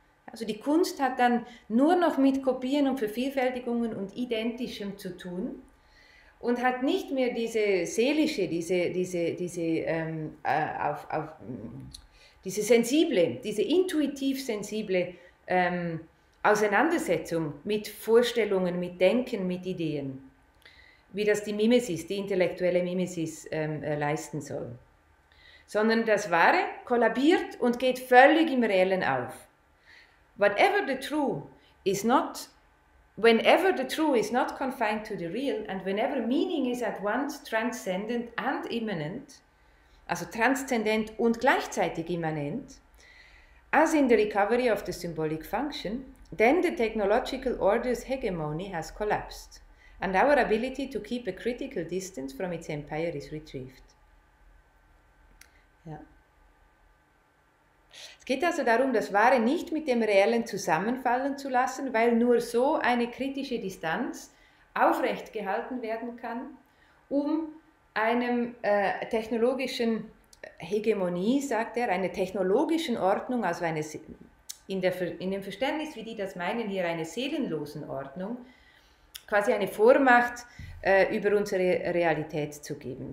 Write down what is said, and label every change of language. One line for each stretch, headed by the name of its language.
German: Also die Kunst hat dann nur noch mit Kopien und Vervielfältigungen und Identischem zu tun und hat nicht mehr diese seelische, diese sensible, diese intuitiv sensible Auseinandersetzung mit Vorstellungen, mit Denken, mit Ideen, wie das die Mimesis, die intellektuelle Mimesis leisten soll. sondern das Wahre kollabiert und geht völlig im Reellen auf.
English: Whatever the true is not, whenever the true is not confined to the real and whenever meaning is at once transcendent and immanent,
German: also transzendent und gleichzeitig immanent,
English: as in the recovery of the symbolic function, then the technological order's hegemony has collapsed and our ability to keep a critical distance from its empire is retrieved.
German: Ja. Es geht also darum, das Wahre nicht mit dem Reellen zusammenfallen zu lassen, weil nur so eine kritische Distanz aufrecht gehalten werden kann, um einem technologischen Hegemonie, sagt er, einer technologischen Ordnung, also eine, in dem Verständnis, wie die das meinen, hier eine seelenlosen Ordnung, quasi eine Vormacht über unsere Realität zu geben.